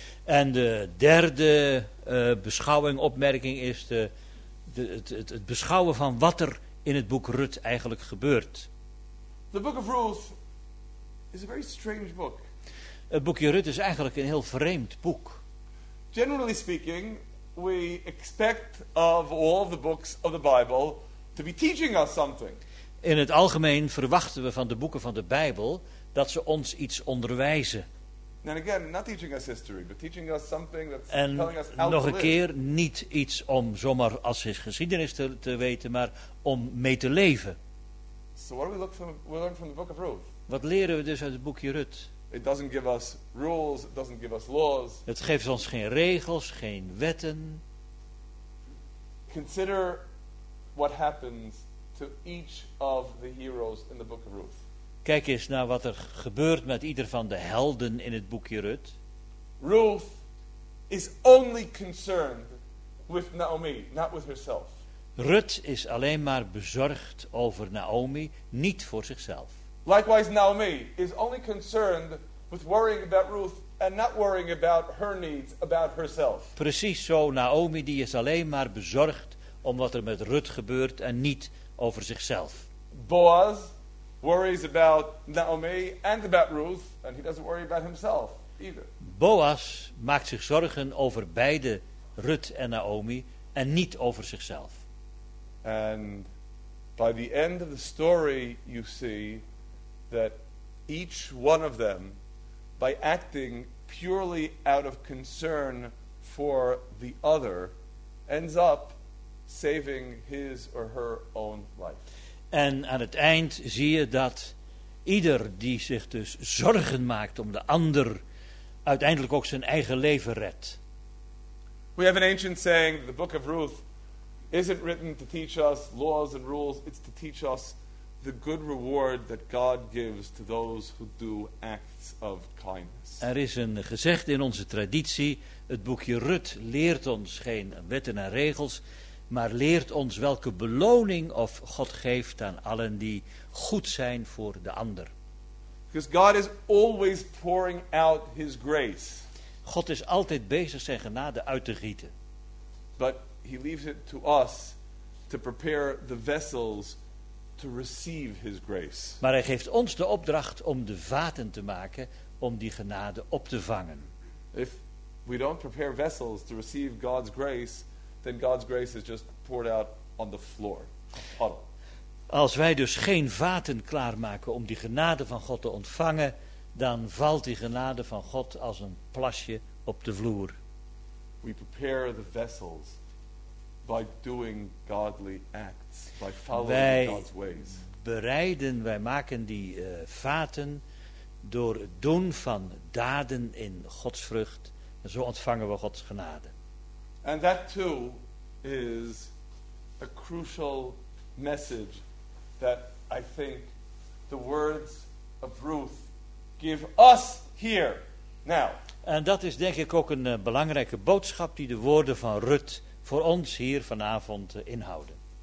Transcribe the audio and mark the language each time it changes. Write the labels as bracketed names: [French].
[Dutch] En de derde beschouwing, opmerking is het beschouwen van wat er in het boek Ruth eigenlijk gebeurt. [English] The book of Ruth is a very strange book. [Dutch] Het boekje Rut is eigenlijk een heel vreemd boek. [English] Generally speaking, we expect of all the books of the Bible to be teaching us something. [Dutch] In het algemeen verwachten we van de boeken van de Bijbel dat ze ons iets onderwijzen. [English] And again, not teaching us history, but teaching us something that's [Dutch] en [English] telling us how to live. [Dutch] En nog een keer, niet iets om zomaar als geschiedenis te weten, maar om mee te leven. [English] So what do we look from? We learn from the book of Ruth. [Dutch] Wat leren we dus uit het boekje Rut? [English] It doesn't give us rules, it doesn't give us laws. [Dutch] Het geeft ons geen regels, geen wetten. [English] Consider what happens to each of the heroes in the book of Ruth. [Dutch] Kijk eens naar wat er gebeurt met ieder van de helden in het boekje Rut. [English] Ruth is only concerned with Naomi, not with herself. [Dutch] Rut is alleen maar bezorgd over Naomi, niet voor zichzelf. [English] Likewise, Naomi is only concerned with worrying about Ruth and not worrying about her needs, about herself. [Dutch] Precies zo, Naomi die is alleen maar bezorgd om wat er met Rut gebeurt en niet over zichzelf. [English] Boaz worries about Naomi and about Ruth, and he doesn't worry about himself either. [Dutch] Boaz maakt zich zorgen over beide, Rut en Naomi, en niet over zichzelf. [English] And by the end of the story, you see that each one of them, by acting purely out of concern for the other, ends up saving his or her own life. [Dutch] En aan het eind zie je dat ieder die zich dus zorgen maakt om de ander, uiteindelijk ook zijn eigen leven redt. [English] We have an ancient saying that the book of Ruth isn't written to teach us laws and rules, it's to teach us the good reward that God gives to those who do acts of kindness. [Dutch] Er is een gezegde in onze traditie, het boekje Rut leert ons geen wetten en regels, maar leert ons welke beloning of God geeft aan allen die goed zijn voor de ander. [English] Because God is always pouring out his grace. [Dutch] God is altijd bezig zijn genade uit te gieten. [English] But he leaves it to us to prepare the vessels to receive his grace. [Dutch] Maar hij geeft ons de opdracht om de vaten te maken om die genade op te vangen. [English] If we don't prepare vessels to receive God's grace, then God's grace is just poured out on the floor, a puddle. [Dutch] Als wij dus geen vaten klaarmaken om die genade van God te ontvangen, dan valt die genade van God als een plasje op de vloer. [English] We prepare the vessels by doing godly acts, by following God's ways. [Dutch] Wij maken die vaten door het doen van daden in Gods vrucht. En zo ontvangen we Gods genade. [English] And that too is a crucial message that I think the words of Ruth give us here now. [Dutch] En dat is denk ik ook een belangrijke boodschap die de woorden van Rut voor ons hier vanavond inhouden.